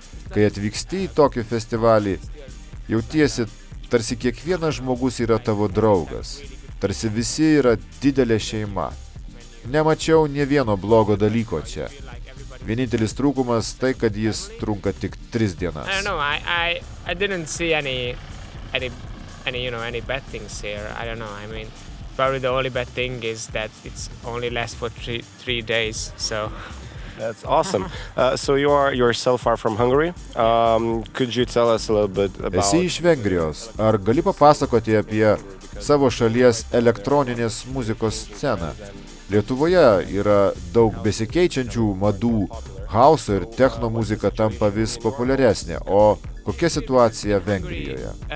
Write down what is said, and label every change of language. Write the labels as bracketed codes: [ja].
[lt] Kai atvyksti į tokį festivalį, jautiesi, tarsi kiekvienas žmogus yra tavo draugas. Tarsi visi yra didelė šeima. Nemačiau ne vieno blogo dalyko čia. Vienintelis trūkumas tai, kad jis trunka tik 3 dienas. [en] I don't know, I didn't see any, you know, any bad things here. I don't know, I mean, probably the only bad thing is that it's only last for three days, so. That's awesome. So yourself are from Hungary. Could you tell us a little bit about? [lt] Esi iš Vengrijos. Ar gali papasakoti apie savo šalies elektroninės muzikos sceną? Lietuvoje yra daug besikeičiančių madų, house ir techno muzika tampa vis populiaresnė, o Kokia situacija Vengrijoje?